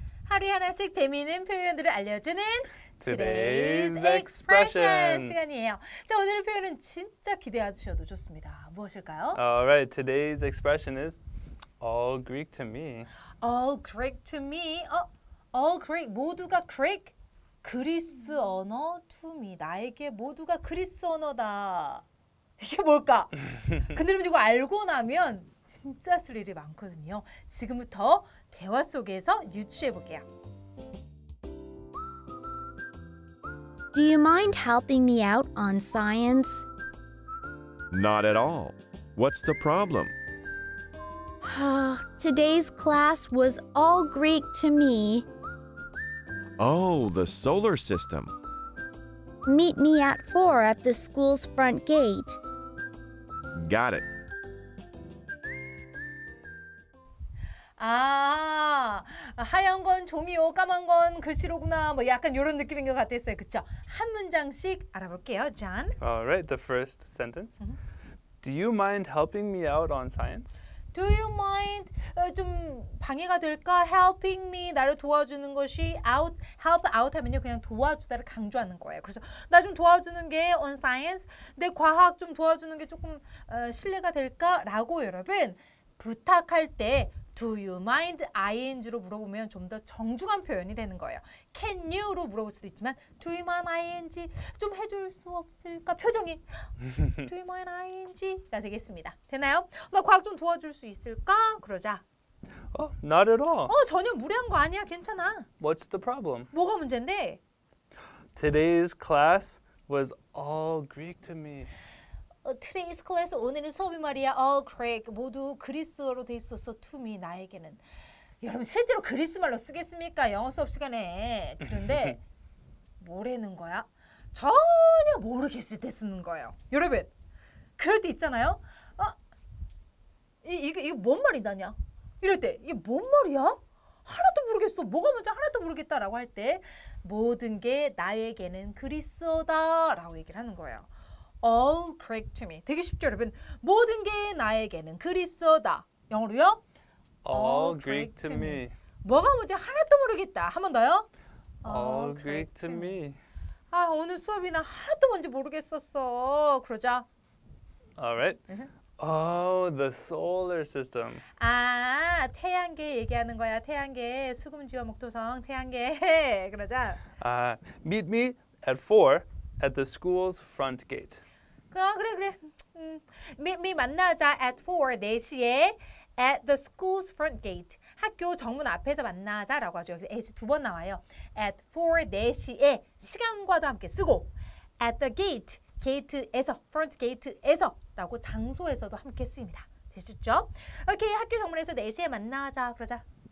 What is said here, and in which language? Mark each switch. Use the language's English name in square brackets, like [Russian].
[Korean] 하루에 하나씩 재미있는 표현들을 알려주는 [English] Today's expression [Korean] 시간이에요. 자, 오늘의 표현은 진짜 기대하셔도 좋습니다. 무엇일까요? [English] All right, today's expression is all Greek to me. All Greek to me. [Korean] 어, [English] all Greek [Korean] 모두가 Greek 그리스 언어 [English] to me [Korean] 나에게 모두가 그리스 언어다. 이게 뭘까? 근데 이거 알고 나면 진짜 스릴이 많거든요. 지금부터 대화 속에서 유추해 볼게요. [English] Do you mind helping me out on science? Not at all. What's the problem? Today's class was all Greek to me. Oh, the solar system. Meet me at 4 at the school's front gate. Got it. [Korean] 아, 하얀 건 종이요, 까만 건 글씨로구나. 뭐 약간 이런 느낌인 것 같았어요. 그쵸? 한 문장씩 알아볼게요, John. [English] All right, the first sentence. Do you mind helping me out on science? Do you mind, [Korean] 좀 방해가 될까? Helping me, 나를 도와주는 것이 out, help out 하면요. 그냥 도와주다를 강조하는 거예요. 그래서 나 좀 도와주는 게 [English] on science, [Korean] 내 과학 좀 도와주는 게 조금 신뢰가 될까? 라고 여러분 부탁할 때 Do you mind ing로 물어보면 좀 더 정중한 표현이 되는 거예요. [English] Can you [Korean] 로 물어볼 수도 있지만 [English] Do you mind ing [Korean] 좀 해줄 수 없을까? 표정이 [English] Do you mind ing [Korean] 가 되겠습니다. 되나요? 나 과학 좀 도와줄 수 있을까? 그러자. [English] Oh, not at all. [Korean] 전혀 무리한 거 아니야. 괜찮아. [English] What's the problem? [Korean] 뭐가 문제인데? [English] Today's class was all Greek to me. Today's class, [Korean] 오늘은 수업이 말이야. [English] All Greek, [Korean] 모두 그리스어로 돼 있어서 [English] to me, [Korean] 나에게는. 여러분, 실제로 그리스말로 쓰겠습니까? 영어 수업 시간에. 그런데 뭐라는 거야? 전혀 모르겠을 때 쓰는 거예요. 여러분, 그럴 때 있잖아요. 이게 뭔 말이 나냐? 이럴 때, 이게 뭔 말이야? 하나도 모르겠어. 뭐가 뭔지 하나도 모르겠다라고 할 때 모든 게 나에게는 그리스어다라고 얘기를 하는 거예요. [English] All Greek to me. [Korean] 되게 쉽죠, 여러분? 모든 게 나에게는 그리스어다. 영어로요? [English] All Greek to me. [Korean] 뭐가 뭔지 하나도 모르겠다. 한 번 더요? [English] All Greek to me. [Korean] 아, 오늘 수업이나 하나도 뭔지 모르겠었어. 그러자. [English] All right. Oh, the solar system. [Korean] 아, 태양계 얘기하는 거야. 태양계, 수금지와 목토성, 태양계. 그러자. [English] Meet me at 4. At the school's front gate. [Korean] 그래. 미 만나자 [English] at 4, [Korean] 4시에 [English] at the school's front gate. [Korean] 학교 정문 앞에서 만나자라고 하죠. 여기서 두 번 나와요. [English] at 4, [Korean] 4시에 시간과도 함께 쓰고 [English] at the gate, [Korean] 게이트에서, [English] front gate [Korean] 에서 라고 장소에서도 함께 쓰입니다. 되셨죠? 오케이, 학교 정문에서 4시에 만나자 그러자.